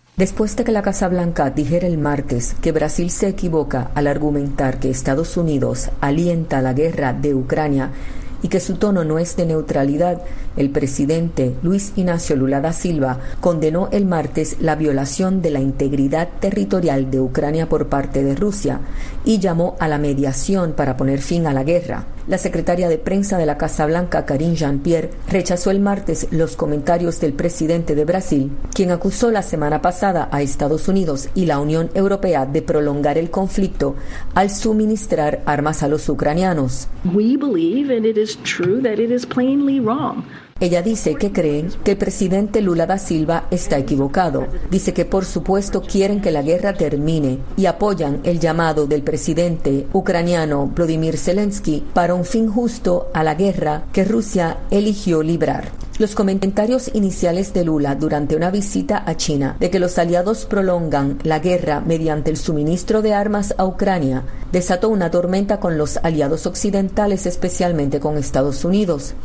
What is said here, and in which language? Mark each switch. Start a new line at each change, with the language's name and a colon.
Spanish: Después de que la Casa Blanca dijera el martes que Brasil se equivoca al argumentar que Estados Unidos alienta la guerra de Ucrania y que su tono no es de neutralidad, el presidente Luis Inácio Lula da Silva condenó el martes la violación de la integridad territorial de Ucrania por parte de Rusia y llamó a la mediación para poner fin a la guerra. La secretaria de prensa de la Casa Blanca, Karine Jean-Pierre, rechazó el martes los comentarios del presidente de Brasil, quien acusó la semana pasada a Estados Unidos y la Unión Europea de prolongar el conflicto al suministrar armas a los ucranianos.
English: We believe and it is true that it is plainly wrong.
Spanish: Ella dice que creen que el presidente Lula da Silva está equivocado. Dice que por supuesto quieren que la guerra termine y apoyan el llamado del presidente ucraniano Vladimir Zelensky para un fin justo a la guerra que Rusia eligió librar. Los comentarios iniciales de Lula durante una visita a China de que los aliados prolongan la guerra mediante el suministro de armas a Ucrania desató una tormenta con los aliados occidentales, especialmente con Estados Unidos.